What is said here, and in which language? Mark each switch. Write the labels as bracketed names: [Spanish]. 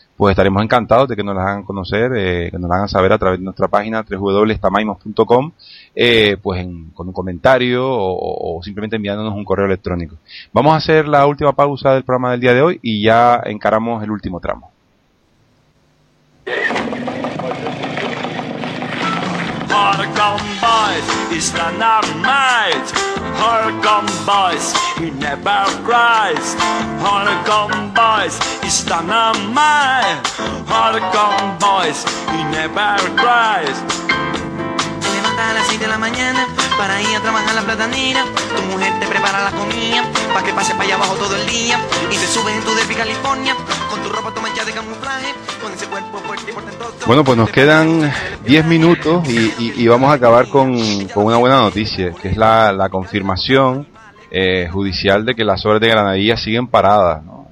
[Spanish] Pues estaremos encantados de que nos las hagan conocer, que nos las hagan saber a través de nuestra página www.tamaimos.com, pues con un comentario o simplemente enviándonos un correo electrónico. Vamos a hacer la última pausa del programa del día de hoy y ya encaramos el último tramo. [English] Harkam boys, it's the night. Harkam boys, he never cries. Harkam boys, it's the night. Harkam boys, he never cries. [Spanish] Te levantas a las 6 de la mañana para ir a trabajar la platanera. Tu mujer te prepara la comida para que pases para allá abajo todo el día. Y te subes en tu Derby California con tu ropa tomada ya de camuflaje. Con ese cuerpo fuerte y portentoso. Bueno, pues nos quedan 10 minutos y vamos a acabar con una buena noticia, que es la confirmación judicial de que las obras de Granadillas siguen paradas, ¿no?